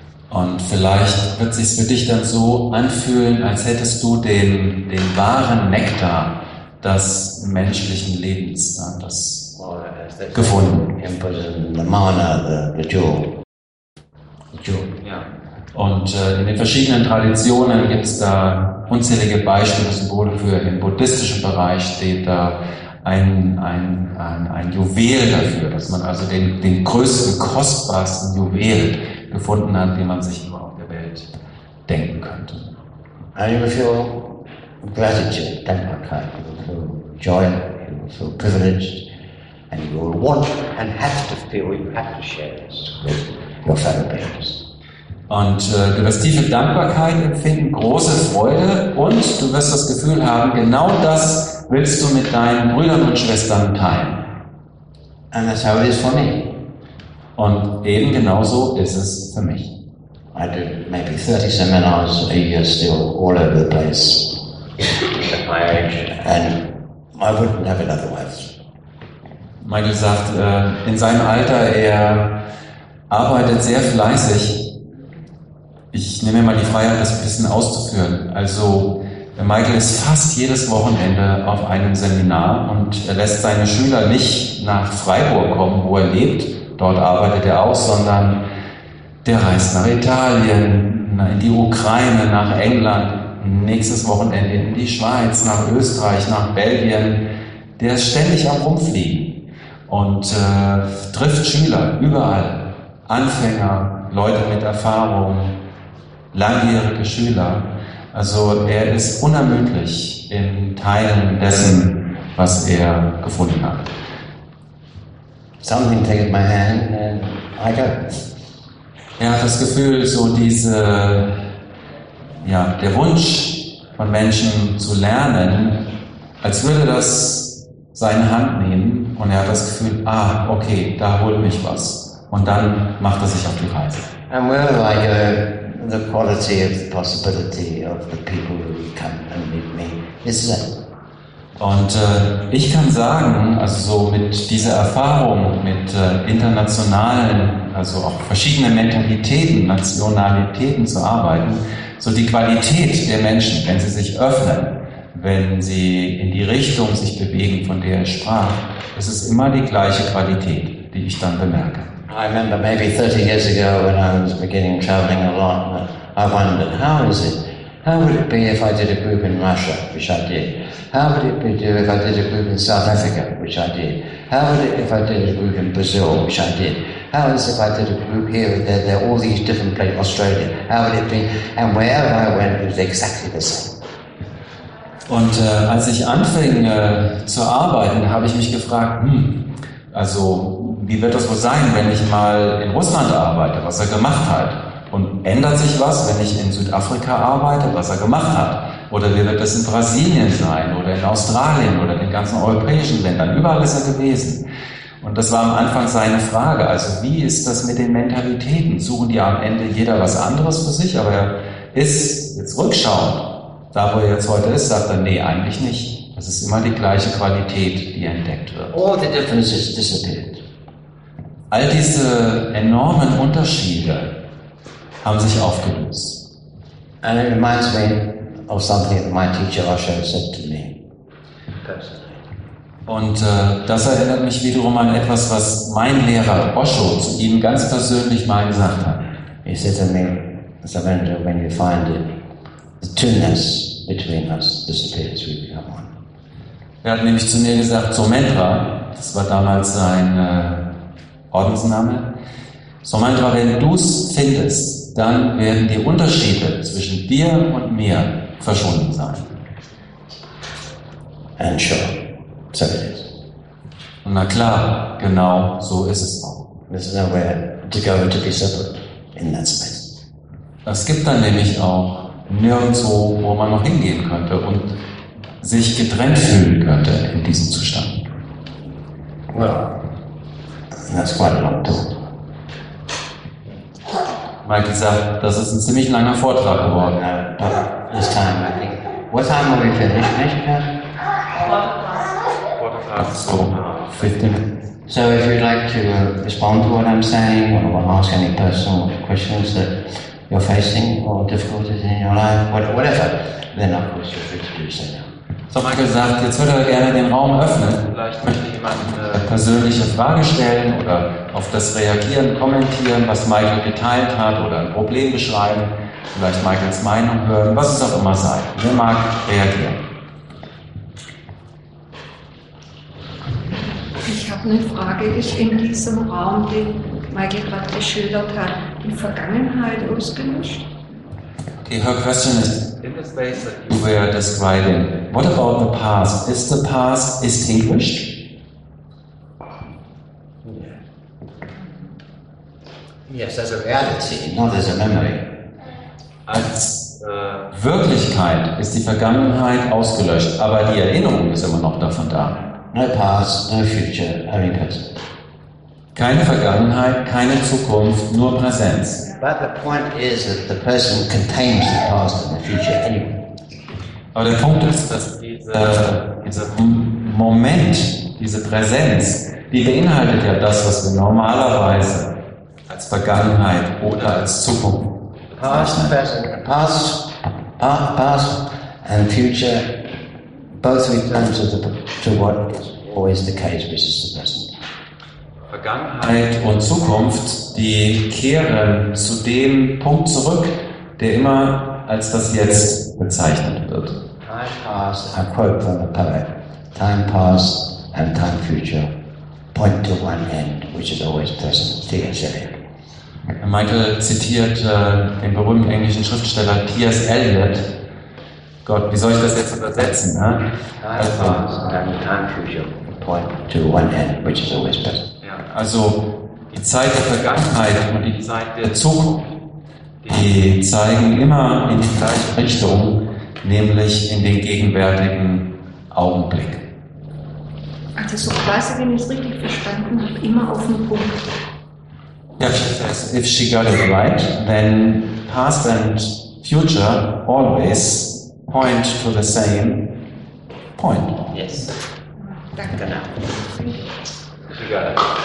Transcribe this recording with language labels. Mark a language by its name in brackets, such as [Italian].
[German] Und vielleicht wird sich's für dich dann so anfühlen, als hättest du den wahren Nektar des menschlichen Lebens, das gefunden. [English] The mana, the jewel. [German] Ja. Und in den verschiedenen Traditionen gibt es da unzählige Beispiele, Symbole für im buddhistischen Bereich steht da. Ein Juwel dafür, dass man also den größten, kostbarsten Juwel gefunden hat, den man sich nur auf der Welt denken könnte. [English] And you will feel gratitude, dankbarkeit, you will feel joy, you will feel privileged, and you will want and have to feel you have to share this with your fellow beings. [German] Und du wirst tiefe Dankbarkeit empfinden, große Freude und du wirst das Gefühl haben, genau das willst du mit deinen Brüdern und Schwestern teilen. [English] And that's how it is for me. [German] Und eben genauso ist es für mich. [English] I do maybe 30 seminars a year still all over the place at my age and I wouldn't have it otherwise. [German] Michael sagt, in seinem Alter, er arbeitet sehr fleißig. Ich nehme mir mal die Freiheit, das ein bisschen auszuführen. Also, der Michael ist fast jedes Wochenende auf einem Seminar und er lässt seine Schüler nicht nach Freiburg kommen, wo er lebt. Dort arbeitet er auch, sondern der reist nach Italien, in die Ukraine, nach England, nächstes Wochenende in die Schweiz, nach Österreich, nach Belgien. Der ist ständig am Rumfliegen und trifft Schüler überall. Anfänger, Leute mit Erfahrung, langjährige Schüler, also er ist unermüdlich im Teilen dessen, was er gefunden hat. [English] Something takes my hand and I go. [German] Er hat das Gefühl, so diese, ja, der Wunsch von Menschen zu lernen, als würde das seine Hand nehmen und er hat das Gefühl, ah, okay, da holt mich was. Und dann macht er sich auf die Reise. [English] And where do I go? The quality of the possibility of the people who come and meet me is there. [German] Und ich kann sagen, also so mit dieser Erfahrung mit internationalen, also auch verschiedenen Mentalitäten, Nationalitäten zu arbeiten, so die Qualität der Menschen, wenn sie sich öffnen, wenn sie in die Richtung sich bewegen, von der ich sprach, es ist immer die gleiche Qualität, die ich dann bemerke. [English] I remember maybe 30 years ago when I was beginning traveling a lot, I wondered, how is it? How would it be if I did a group in Russia, which I did? How would it be if I did a group in South Africa, which I did? How would it be if I did a group in Brazil, which I did? How is it if I did a group here and there, all these different places, Australia? How would it be? And wherever I went, it was exactly the same. [German] Und als ich anfing zu arbeiten, habe ich mich gefragt, also wie wird das wohl sein, wenn ich mal in Russland arbeite, was er gemacht hat? Und ändert sich was, wenn ich in Südafrika arbeite, was er gemacht hat? Oder wie wird das in Brasilien sein oder in Australien oder in den ganzen europäischen Ländern? Überall ist er gewesen. Und das war am Anfang seine Frage, also wie ist das mit den Mentalitäten? Suchen die am Ende jeder was anderes für sich, aber er ist jetzt rückschauend. Da, wo er jetzt heute ist, sagt er, nee, eigentlich nicht. Das ist immer die gleiche Qualität, die entdeckt wird. [English] All the differences disappeared. [German] All diese enormen Unterschiede haben sich aufgelöst. [English] And it reminds me of something that my teacher Osho said to me. [German] Und das erinnert mich wiederum an etwas, was mein Lehrer Osho zu ihm ganz persönlich mal gesagt hat. [English] He said to me, Savendra, when you find it, the two-ness between us disappears, we become one. [German] Er hat nämlich zu mir gesagt, Somendra, das war damals sein Ordensname, Somendra, wenn du es findest, dann werden die Unterschiede zwischen dir und mir verschwunden sein. [English] And sure, so it is. [German] Und na klar, genau so ist es auch. [English] There's nowhere to go to be separate in that space. [German] Es gibt dann nämlich auch nirgendwo, wo man noch hingehen könnte und sich getrennt fühlen könnte in diesem Zustand. [English] Well, that's quite a long talk. [German] Mike sagt, das ist ein ziemlich langer Vortrag geworden. [English] This time, I think. What time are we finished, Mike? So if you'd like to respond to what I'm saying, or want to ask any personal questions that you're facing or difficulties in your life, whatever, then of course you're free to do so now. [German] So Michael sagt, jetzt würde er gerne den Raum öffnen. Vielleicht möchte jemand eine persönliche Frage stellen oder auf das reagieren, kommentieren, was Michael geteilt hat oder ein Problem beschreiben, vielleicht Michaels Meinung hören, was es auch immer sei. Wer mag reagieren? Ich habe eine Frage, ist in diesem Raum, den Michael gerade geschildert hat, die Vergangenheit ausgelöscht? [English] Okay, her question is, in the space that you were describing, what about the past? Is the past extinguished? Yes, as a reality, not as a memory. [German] Als Wirklichkeit ist die Vergangenheit ausgelöscht, aber die Erinnerung ist immer noch davon da. [English] No past, no future, only present. [German] Keine Vergangenheit, keine Zukunft, nur Präsenz. [English] But the point is that the person contains the past and the future anyway. [German] Aber der Punkt ist, dass dieser Moment, diese Präsenz, die beinhaltet ja das, was wir normalerweise als Vergangenheit oder als Zukunft bezeichnen. [English] Past and future, both return to what is always the case, which is the present. [German] Vergangenheit und Zukunft, die kehren zu dem Punkt zurück, der immer als das Jetzt bezeichnet wird. [English] Time past, I quote from the poet, time past and time future point to one end, which is always present, T.S. Eliot. [German] Michael zitiert den berühmten englischen Schriftsteller T.S. Eliot. Gott, wie soll ich das jetzt übersetzen? Ne? [English] Time past and time future point to one end, which is always present. [German] Also die Zeit der Vergangenheit und die Zeit der Zukunft, die zeigen immer in die gleiche Richtung, nämlich in den gegenwärtigen Augenblick. Also so quasi, wenn ich es richtig verstanden habe, immer auf den Punkt. [English] Ja, if she got it right, then past and future always point to the same point. Yes. [German] Danke. Genau.